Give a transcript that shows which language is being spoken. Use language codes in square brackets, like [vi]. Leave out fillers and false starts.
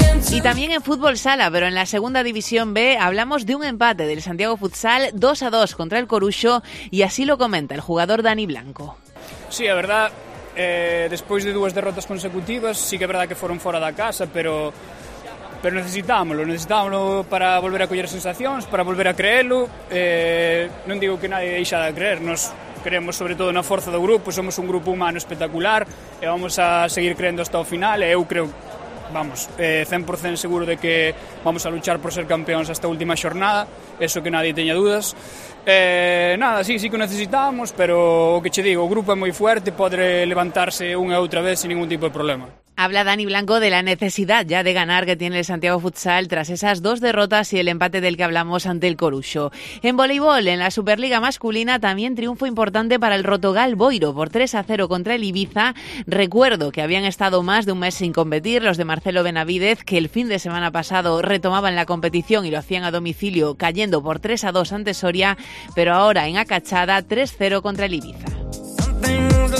[es] Y también en fútbol sala, pero en la segunda división B, hablamos de un empate del Santiago Futsal 2-2 contra el Coruxo y así lo comenta el jugador Dani Blanco. [gl] Sí, a verdad, despois de dúas derrotas consecutivas, sí que é verdad que foron fora da casa, pero necesitámolo para volver a coller sensacións, para volver a creelo. Non digo que nadie deixa de creer, nos creemos sobre todo na forza do grupo, somos un grupo humano espectacular e vamos a seguir creendo hasta o final. Eu creo, vamos, 100% seguro de que vamos a luchar por ser campeóns hasta a última xornada, eso que nadie teña dúdas. Nada, sí que necesitamos, pero o que che digo, o grupo é moi fuerte, podre levantarse unha e outra vez sin ningún tipo de problema. [es] Habla Dani Blanco de la necesidad ya de ganar que tiene el Santiago Futsal tras esas dos derrotas y el empate del que hablamos ante el Coruxo. En voleibol, en la Superliga masculina, también triunfo importante para el Rotogal Boiro por 3-0 contra el Ibiza. Recuerdo que habían estado más de un mes sin competir los de Marcelo Benavidez, que el fin de semana pasado retomaban la competición y lo hacían a domicilio cayendo por 3-2 ante Soria, pero ahora en Acachada 3-0 contra el Ibiza.